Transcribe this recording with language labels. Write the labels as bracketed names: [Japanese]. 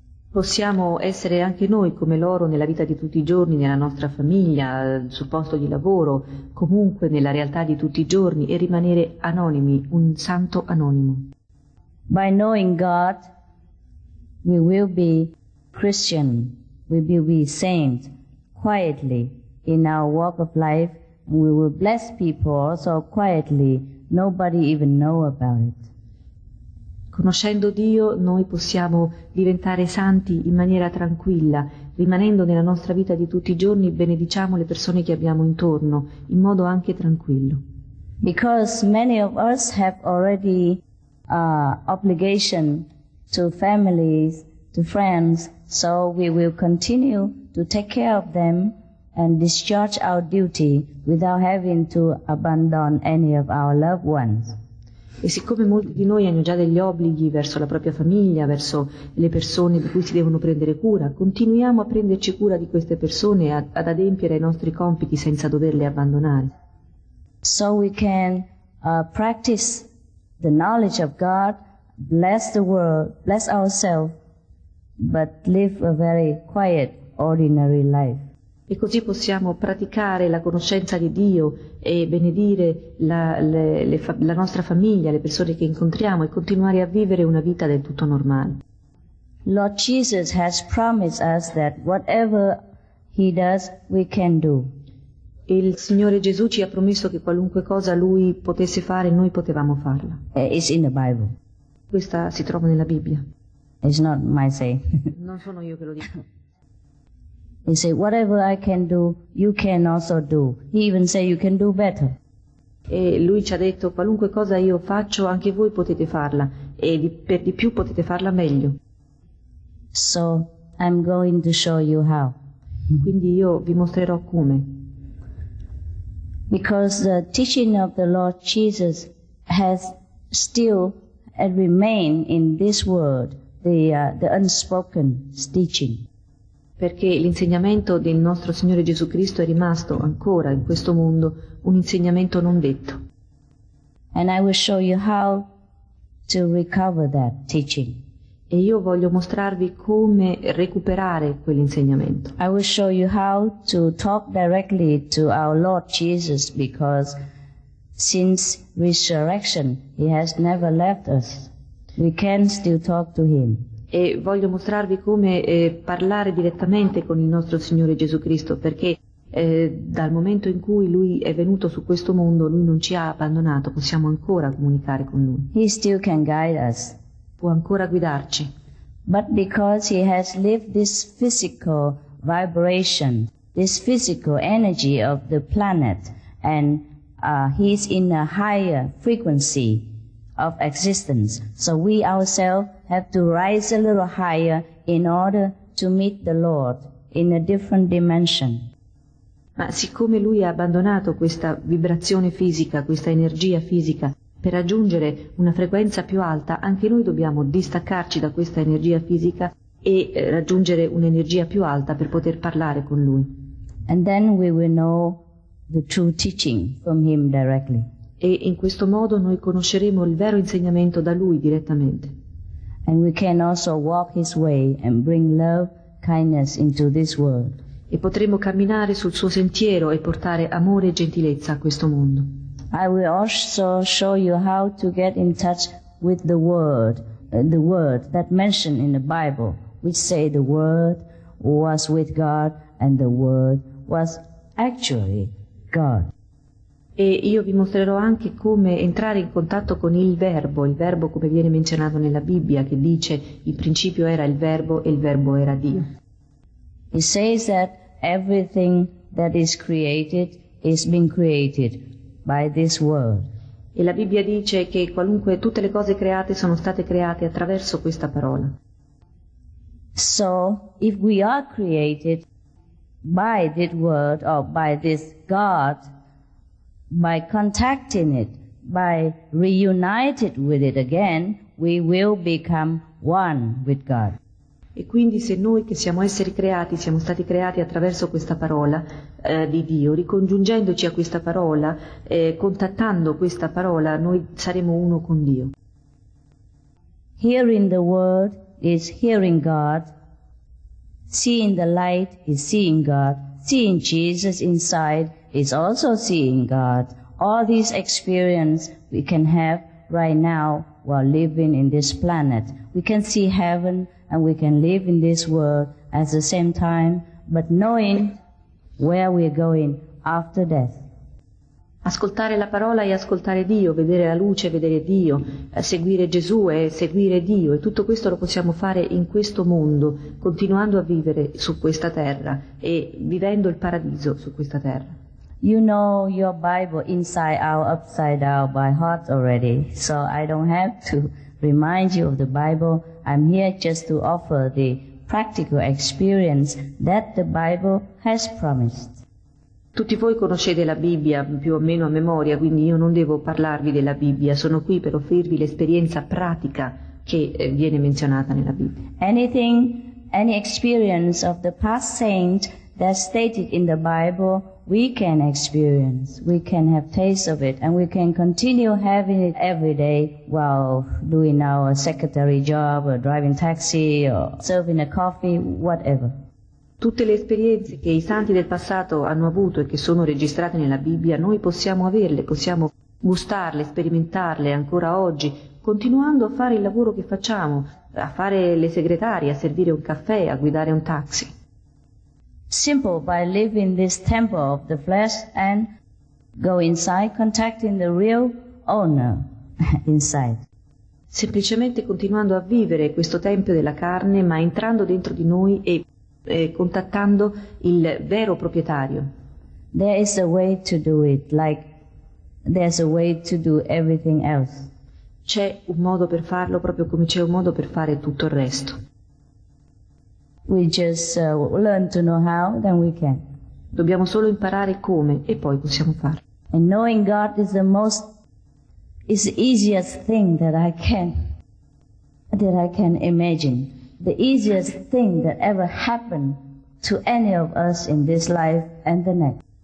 [Italian] Possiamo essere anche noi come loro nella vita di tutti i giorni, nella nostra famiglia, sul posto di lavoro, comunque nella realtà di tutti i giorni e rimanere anonimi, un santo anonimo. [English] By knowing God, we will be Christian, we will be saints quietly in our walk of life, we will bless people also quietly, nobody even know about it. [Italian] Conoscendo Dio, noi possiamo diventare santi in maniera tranquilla, rimanendo nella nostra vita di tutti i giorni, benediciamo le persone che abbiamo intorno, in modo anche tranquillo. [English] Because many of us have already obligation to families, to friends, so we will continue to take care of them and discharge our duty without having to abandon any of our loved ones. [Italian] E siccome molti di noi hanno già degli obblighi verso la propria famiglia, verso le persone di cui si devono prendere cura, continuiamo a prenderci cura di queste persone, ad adempiere ai nostri compiti senza doverle abbandonare. [English] So we can practice the knowledge of God, bless the world, bless ourselves, but live a very quiet, ordinary life. [Italian] E così possiamo praticare la conoscenza di Dio e benedire la nostra famiglia, le persone che incontriamo e continuare a vivere una vita del tutto normale. [English] Lord Jesus has promised us that whatever He does, we can do. [Italian] Il Signore Gesù ci ha promesso che qualunque cosa Lui potesse fare, noi potevamo farla. [English] It's in the Bible. [Italian] Questa si trova nella Bibbia. [English] It's not my say. [Italian] Non sono io che lo dico. [English] He said, whatever I can do, you can also do. He even said, you can do better. [Italian] E lui ci ha detto, qualunque cosa io faccio, anche voi potete farla. E per di più potete farla meglio. [English] So, I'm going to show you how. [Italian] Quindi io vi mostrerò come. [English] Because the teaching of the Lord Jesus has still remained in this world, the unspoken teaching. [Italian] Perché l'insegnamento del nostro Signore Gesù Cristo è rimasto ancora in questo mondo un insegnamento non detto. [English] And I will show you how to recover that teaching. [Italian] E io voglio mostrarvi come recuperare quell'insegnamento. [English] I will show you how to talk directly to our Lord Jesus because since resurrection he has never left us. We can still talk to him. [Italian] E voglio mostrarvi come parlare direttamente con il nostro Signore Gesù Cristo perché dal momento in cui lui è venuto su questo mondo, lui non ci ha abbandonato, possiamo ancora comunicare con lui. [English] He still can guide us. [Italian] Può ancora guidarci. [English] But because he has lived this physical vibration, this physical energy of the planet, and he is in a higher frequency of existence, so we ourselves have to rise a little higher in order to meet the Lord in a different dimension. [Italian] Ma siccome lui ha abbandonato questa vibrazione fisica, questa energia fisica, per raggiungere una frequenza più alta, anche noi dobbiamo distaccarci da questa energia fisica e raggiungere un'energia più alta per poter parlare con lui. [English] And then we will know the true teaching from him directly. [Italian] E in questo modo noi conosceremo il vero insegnamento da lui direttamente. [English] And we can also walk his way and bring love, kindness into this world. [Italian] E potremo camminare sul suo sentiero e portare amore e gentilezza a questo mondo. [English] I will also show you how to get in touch with the word that mentioned in the Bible, which say the word was with God and the word was actually God. [Italian] E io vi mostrerò anche come entrare in contatto con il verbo come viene menzionato nella Bibbia, che dice in principio era il verbo e il verbo era Dio. [English] It says that everything that is created is being created by this word. [Italian] E la Bibbia dice che qualunque tutte le cose create sono state create attraverso questa parola. [English] So, if we are created by this word or by this God, by contacting it, by reunited with it again, we will become one with God. [Italian] E quindi se noi che siamo esseri creati, siamo stati creati attraverso questa parola di Dio, ricongiungendoci a questa parola, contattando questa parola, noi saremo uno con Dio. [English] Hearing the word is hearing God. Seeing the light is seeing God. Seeing Jesus inside is also seeing God. All these experiences we can have right now while living in this planet. We can see heaven and we can live in this world at the same time, but knowing where we are going after death. [Italian] Ascoltare la parola e ascoltare Dio, vedere la luce, vedere Dio, seguire Gesù e seguire Dio, e tutto questo lo possiamo fare in questo mondo, continuando a vivere su questa terra e vivendo il paradiso su questa terra. [English] You know your Bible inside out, upside down by heart already, so I don't have to remind you of the Bible. I'm here just to offer the practical experience that the Bible has promised. [Italian] Tutti voi conoscete la Bibbia più o meno a memoria, quindi io non devo parlarvi della Bibbia. Sono qui per offrirvi l'esperienza pratica che viene menzionata nella Bibbia. [English] Anything, any experience of the past saint that's stated in the Bible, we can experience, we can have taste of it, and we can continue having it every day while doing our secretary job, or driving taxi, or serving a coffee, whatever. [Italian] Tutte le esperienze che i santi del passato hanno avuto e che sono registrate nella Bibbia, noi possiamo averle, possiamo gustarle, sperimentarle ancora oggi, continuando a fare il lavoro che facciamo, a fare le segretarie, a servire un caffè, a guidare un taxi. [English] Simple by leaving this temple of the flesh and go inside, contacting the real owner inside. [Italian] Semplicemente continuando a vivere questo tempio della carne, ma entrando dentro di noi e contattando il vero proprietario. [English] There is a way to do it, like there's a way to do everything else. [Italian] C'è un modo per farlo, proprio come c'è un modo per fare tutto il resto. [English] We just learn to know how, then we can. [Italian] Dobbiamo solo imparare come e poi possiamo farlo. [English] And knowing God is the most, is the easiest thing that I can imagine. The easiest thing that ever happened to any of us in this life and the next.